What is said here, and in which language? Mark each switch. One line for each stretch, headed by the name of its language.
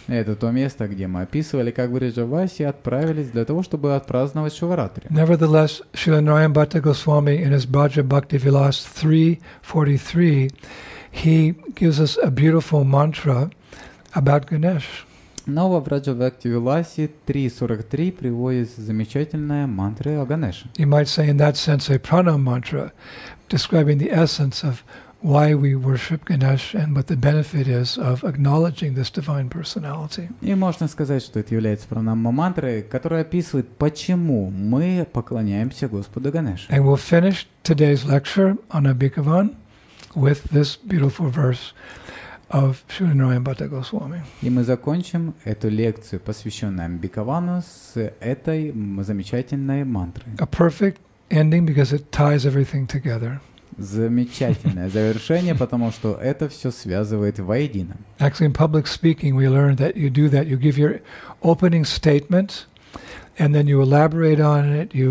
Russian: Это то место, где мы описывали, как Брajabasis отправились для того, чтобы отпраздновать Шиваратри.
English: Nevertheless, Srila Narayana Bhatta Goswami in his Braja Bhakti Vilas 3:43, he gives us a beautiful mantra about Ganesh.
Russian: Но во Braja Bhakti Vilas 3:43 приводится замечательная мантра о Ганеше.
English: You might say in that sense a prana mantra, describing the essence of why we worship Ganesh and what the benefit is of acknowledging this divine personality.
Russian: И можно сказать, что это является пранама мантрой, которая описывает, почему мы поклоняемся Господу Ганеше.
English: And we'll finish today's lecture on Ambikavan with this beautiful verse of Srila Narayana Bhatta Goswami.
Russian: И мы закончим эту лекцию, посвященную Амбикавану, с этой замечательной мантрой.
English: A perfect ending because it ties everything together.
Russian: Замечательное завершение, потому что это все связывает воедино.
English: Actually, in public speaking, we learned that you do that. You give your opening statement, and then you elaborate on it.